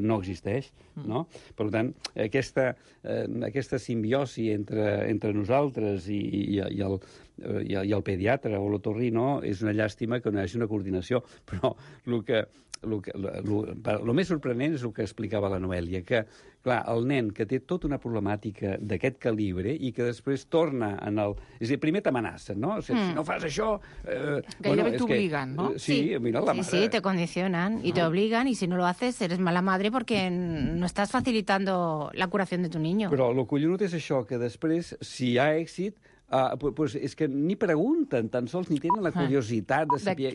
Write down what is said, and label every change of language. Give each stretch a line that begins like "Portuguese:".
Catalan: No existeix, no? Per tant, aquesta simbiosi entre nosaltres i el pediatre o l'otorrino és una llàstima que no hi hagi una coordinació, però el més sorprenent és el que explicava la Noèlia, que, clar, el nen que té tota una problemàtica d'aquest calibre i que després torna en el... És a dir, primer t'amenacen, no? O sigui, si no fas això... Gairebé t'obliguen, no? Sí, mira, la mare... Sí, te condicionen i t'obliguen,
Spanish: i si no lo haces eres mala madre porque no estás facilitando la curación de tu niño.
Catalan: Però lo collonut és això, que després, si hi ha èxit... Pues és que ni pregunten, tan sols ni tenen la curiositat de saber...